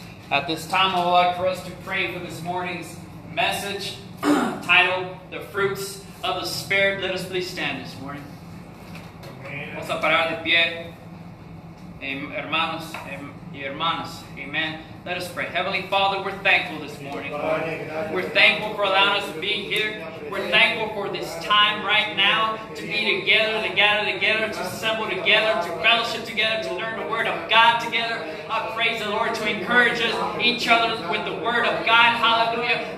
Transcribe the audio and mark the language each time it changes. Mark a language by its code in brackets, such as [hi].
[en] At this time, I would like for us to pray for this morning's message titled, The Fruits of the Spirit. Let us please stand this morning. Amen. [es] Vamos a parar de pie, hermanos y hermanas. [en] Amen. Let us pray. Heavenly Father, we're thankful this morning. We're thankful for allowing us to be here. We're thankful for this time right now to be together, to gather together, to assemble together, to fellowship together, to learn the Word of God together. I praise the Lord to encourage us, each other with the Word of God. Hallelujah.